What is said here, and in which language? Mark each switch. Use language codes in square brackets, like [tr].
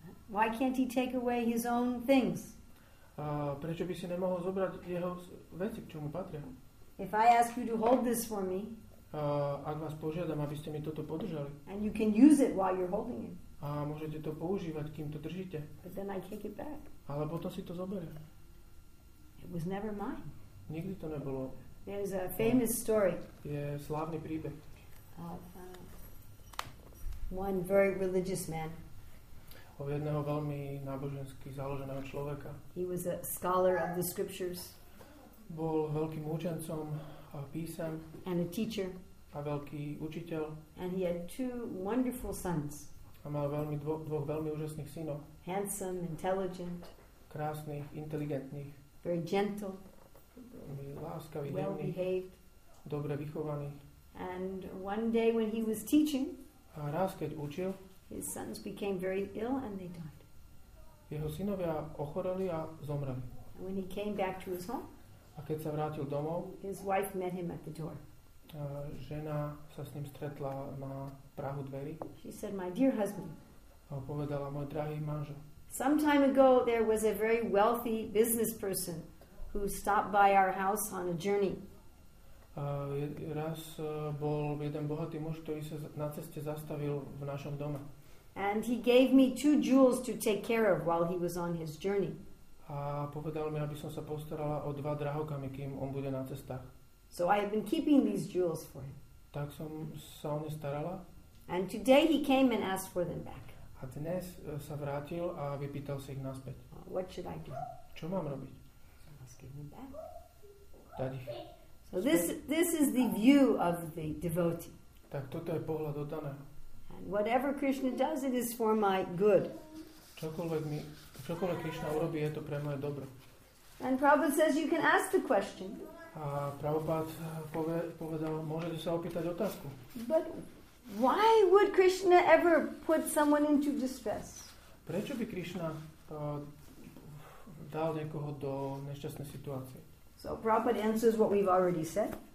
[en] Why can't he take away his own things? [sk] Prečo by si nemohol zobrať jeho veci, k čomu patria? [en] If I ask you to hold this for me, [sk] ak vás požiadam, aby ste mi toto podržali, [en] and you can use it while you're holding it, [sk] a môžete to používať, kým to držíte, [en] but then I take it back. [sk] Ale potom si to zoberie. [en] It was never mine. [sk] Nikdy to nebolo. [en] There's a famous story. [sk] Je slávny príbeh. [en] One very religious man. [sk] O jedného veľmi nábožensky založeného človeka. [en] He was a scholar of the scriptures. [sk] Bol veľkým učencom a písem. [en] And a teacher. [sk] A veľký učiteľ. [en] And he had two wonderful sons. [sk] A mal veľmi dvoch veľmi úžasných synov. [en] Handsome, intelligent. [sk] Krásnych, inteligentných. [en] Very gentle. [sk] Veľmi láskavý, [en] well behaved. [sk] Dobre vychovaný. [en] And one day when he was teaching, [sk] a raz, keď učil, [en] his sons became very ill and they died. [sk] Jeho synovia ochoreli a zomreli. [en] And when he came back to his home, [sk] a keď sa vrátil domov, [en] his wife met him at the door. [sk] Žena sa s ním stretla na prahu dverí. [en] She said, "My dear husband." [sk] A povedala, môj drahý manžel. [en] Some time ago there was a very wealthy business person who stopped by our house on a journey. [sk] Raz bol jeden bohatý muž, ktorý sa na ceste zastavil v našom dome. [en] And he gave me two jewels to take care of while he was on his journey. [sk] A povedal mi, aby som sa postarala o dva drahokamy, kým on bude na cestách. [en] So I have been keeping these jewels for him. [sk] Tak som sa o ne starala. [en] And today he came and asked for them back. [sk] A dnes sa vrátil a vypýtal si ich naspäť. [en] What should I do? [sk] Čo mám robiť? Dať ich. [en] So this is the view of the devotee. [sk] Tak toto je pohľad oddaného. [en] And whatever Krishna does, it is for my good. [sk] Čokoľvek Krishna urobí, je to pre moje dobro. [en] And Prabhupada says you can ask the question. [sk] A Prabhupada povedal, môžete sa opýtať otázku. [en] But why would Krishna ever put someone into distress? [sk] Prečo by Krishna dal niekoho do nešťastnej situácie? [en] So Prabhupada answers what we've already said.